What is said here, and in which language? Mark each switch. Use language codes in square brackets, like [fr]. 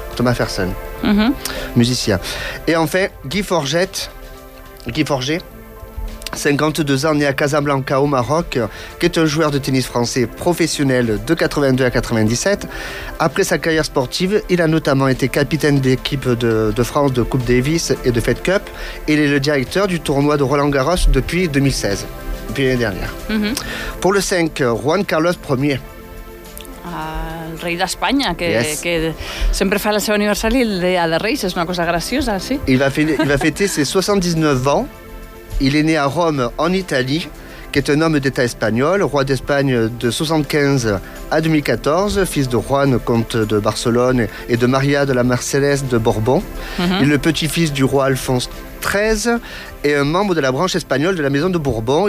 [fr] Thomas Fersen, musicien. Et enfin, Guy Forget, 52 ans, né à Casablanca au Maroc, qui est un joueur de tennis français professionnel de 82 à 97. Après sa carrière sportive, il a notamment été capitaine d'équipe de France de Coupe Davis et de Fed Cup. Il est le directeur du tournoi de Roland-Garros depuis 2016, depuis l'année dernière. Pour le 5, Juan Carlos Ier. [ca] El rei d'Espanya, que sempre fa el seu aniversari el dia de Reis, és una cosa graciosa, sí. [fr] Il va fêter ses 79 ans. Il est né à Rome, en Italie, qui est un homme d'État espagnol, roi d'Espagne de 75 à 2014, fils de Juan, comte de Barcelone, et de Maria de la Marcellesse de Bourbon. Il est le petit-fils du roi Alphonse XIII et un membre de la branche espagnole de la maison de Bourbon.